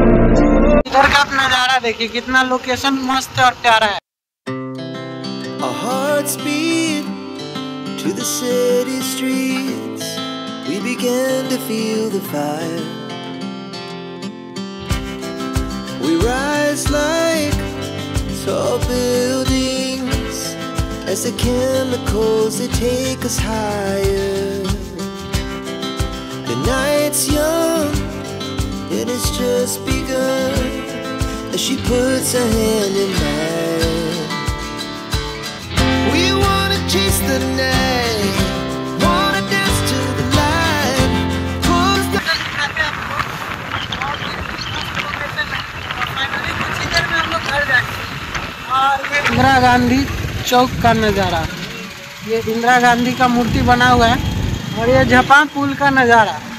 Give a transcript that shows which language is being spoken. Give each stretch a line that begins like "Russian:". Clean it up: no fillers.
Hindi: देखिए कितना लोकेशन मस्त और प्यारा है।
English: Our hearts beat to the city streets, we begin to feel the fire. We rise like tall buildings as the chemicals they take us higher. The night's young, it has just begun. As she puts her hand in mine, we wanna chase the night, wanna dance to the light. Close the
Hindi: Indira Gandhi चौक का नजारा, ये इंदिरा गांधी का मूर्ति बना हुआ है और ये Japan पुल का नजारा।